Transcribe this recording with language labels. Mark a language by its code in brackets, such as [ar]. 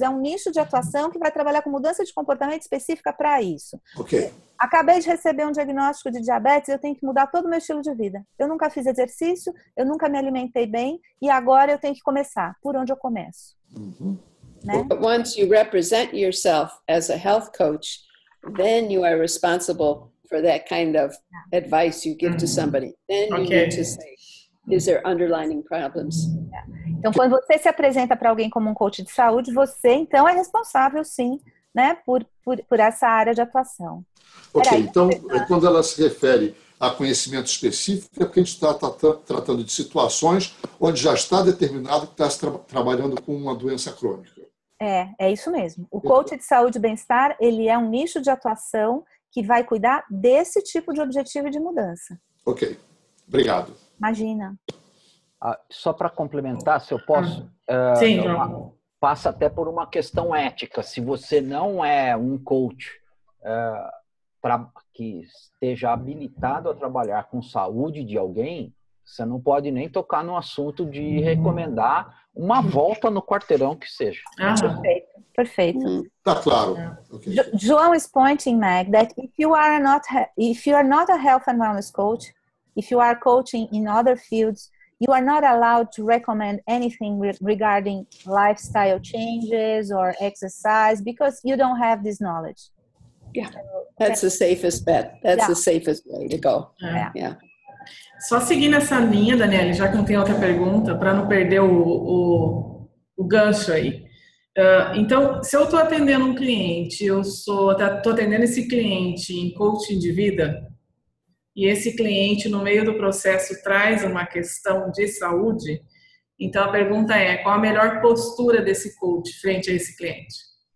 [pt] É um nicho de atuação que vai trabalhar com mudança de comportamento específica para isso. Okay. Acabei de receber um diagnóstico de diabetes, eu tenho que mudar todo o meu estilo de vida. Eu nunca fiz exercício, eu nunca me alimentei bem e agora eu tenho que começar. Por onde eu começo? Uhum. Né? [en] Once you represent yourself as a health coach, then you are responsible for that kind of advice you give to somebody. Then you need to say, is there underlying problems? [pt] Então, quando você se apresenta para alguém como um coach de saúde, você, então, é responsável, sim, né, por essa área de atuação. Ok, então, quando ela se refere a conhecimento específico, é porque a gente está tratando de situações onde já está determinado que está trabalhando com uma doença crônica. É isso mesmo. O coach de saúde e bem-estar, ele é um nicho de atuação que vai cuidar desse tipo de objetivo de mudança. Ok, obrigado. Imagina. Só para complementar, se eu posso, sim, passa até por uma questão ética. Se você não é um coach que esteja habilitado a trabalhar com saúde de alguém, você não pode nem tocar no assunto de recomendar uma volta no quarteirão que seja. Perfeito. Tá claro. Okay. [en] João is pointing, Meg, that if you are not a health and wellness coach, if you are coaching in other fields, you are not allowed to recommend anything regarding lifestyle changes or exercise because you don't have this knowledge. Yeah, that's the safest bet. That's the safest way to go. Yeah. [pt] Só seguindo essa linha, Daniela, já que não tem outra pergunta, para não perder o gancho aí. Então, se eu estou atendendo um cliente, estou atendendo esse cliente em coaching de vida, e esse cliente, no meio do processo, traz uma questão de saúde, então a pergunta é, qual a melhor postura desse coach frente a esse cliente?